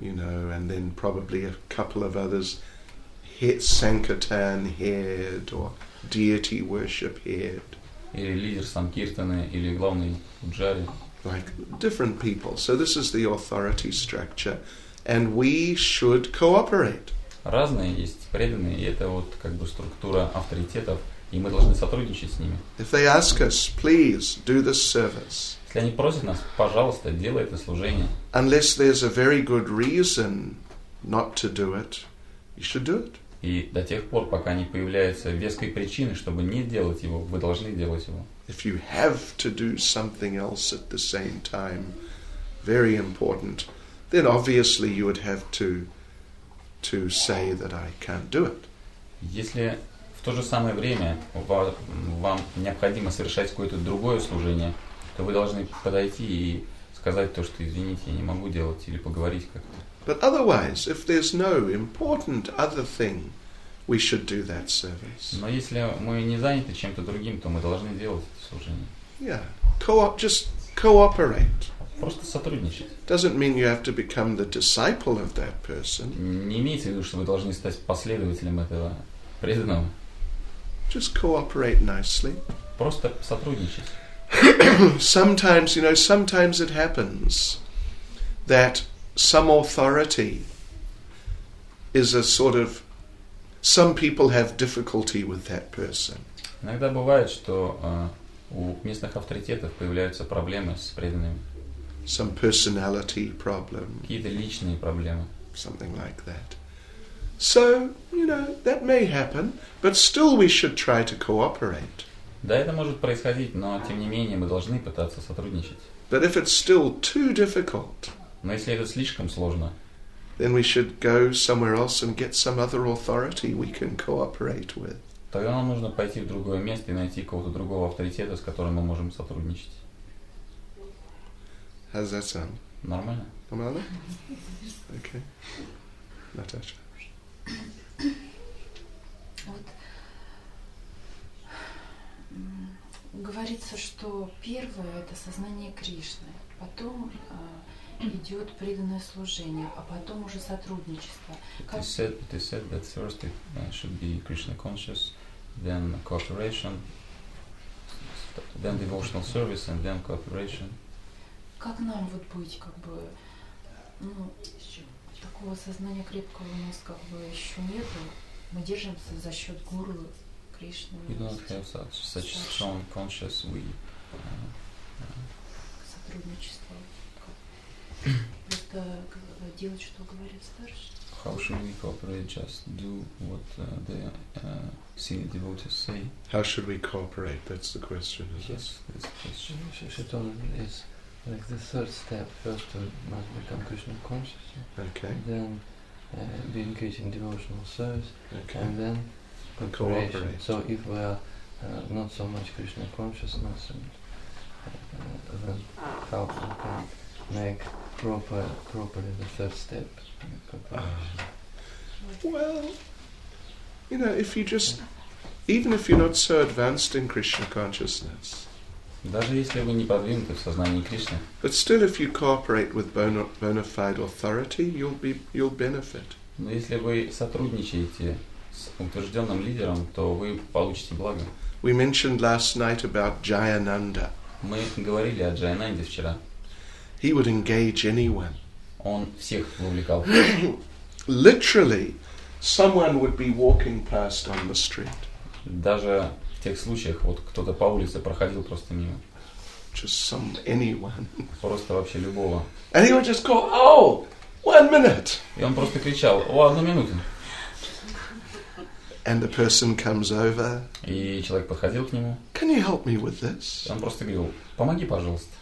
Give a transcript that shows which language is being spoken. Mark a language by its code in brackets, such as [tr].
[en] You know, and then probably a couple of others. Head Sankirtan head or deity worship head. [ru] Или лидер Санкиртаны, или главный Пуджари. [en] Like different people. So this is the authority structure. And we should cooperate. [ru] Разные есть преданные, и это вот как бы структура авторитетов, и мы должны сотрудничать с ними. [en] If they ask us, please do this service. [ru] Если они просят нас, пожалуйста, делай это служение. [en] Unless there's a very good reason not to do it, you should do it. [ru] И до тех пор, пока не появляется веской причины, чтобы не делать его, вы должны делать его. [en] If you have to do something else at the same time, very important, then obviously you would have to say that I can't do it. [ru] Если в то же самое время вам необходимо совершать какое-то другое служение, то вы должны подойти и сказать то, что извините, я не могу делать, или поговорить как-то. [en] But otherwise, if there's no important other thing, we should do that service. [ru] Но если мы не заняты чем-то другим, то мы должны делать это служение. [en] Yeah. Just cooperate. [ru] Просто сотрудничать. [en] Doesn't mean you have to become the disciple of that person. [ru] Не имеется в виду, что вы должны стать последователем этого преданного. [en] Just cooperate nicely. [ru] Просто сотрудничать. [en] Sometimes, you know, sometimes it happens that some authority is a sort of some people have difficulty with that person. [ru] Иногда бывает, что у местных авторитетов появляются проблемы с преданными. [en] Some personality problem. [ru] Какие-то личные проблемы. [en] Something like that. So, you know, that may happen, but still we should try to cooperate. [ru] Да, это может происходить, но тем не менее мы должны пытаться сотрудничать. [en] But if it's still too difficult, [ru] но если это слишком сложно, [en] then we should go somewhere else and get some other authority we can cooperate with. [ru] Тогда нам нужно пойти в другое место и найти какого-то другого авторитета, с которым мы можем сотрудничать. [en] How's that sound? [ru] Нормально. Нормально? [en] Okay. [ru] Наташа. Вот. Говорится, что первое это сознание Кришны, потом идет преданное служение, а потом уже сотрудничество. [en] But you said that first it should be Krishna conscious, then cooperation, then devotional service, and then cooperation. [ru] Как нам вот быть, как бы, ну, такого сознания крепкого у нас как бы еще нету. Мы держимся за счет гуру Кришны. [en] We don't have such strong conscious. We [ru] сотрудничество. Просто делать, что говорят старшие. [en] How should we cooperate? Just do what the senior devotees say. How should we cooperate? That's the question, isn't it? Yes, that's the question. Shaitan is like the third step. First, we must become Krishna conscious. Okay. And then be engaged in devotional service. Okay. And then cooperate. So if we are not so much Krishna consciousness, and, then how we can make properly the third step? Well, you know, if you just, even if you're not so advanced in Krishna consciousness, [ru] даже если вы не продвинуты в сознании Кришны, [en] but still, if you cooperate with bona fide authority, you'll benefit. [ru] Но если вы сотрудничаете с утвержденным лидером, то вы получите благо. [en] We mentioned last night about Jayananda. [ru] Мы говорили о Джайананде вчера. [en] He would engage anyone. [ru] Он всех вовлекал. [en] Literally, someone would be walking past on the street. [ru] Даже в тех случаях, вот кто-то по улице проходил просто мимо. [en] Just some anyone. [ru] Просто вообще любого. [en] And he would just call, "Oh, one minute!" [ru] И он просто кричал: "О, одну минуту!" [en] And the person comes over. [ru] И человек подходил к нему. [en] Can you help me with this? [ru] И он просто говорил: "Помоги, пожалуйста."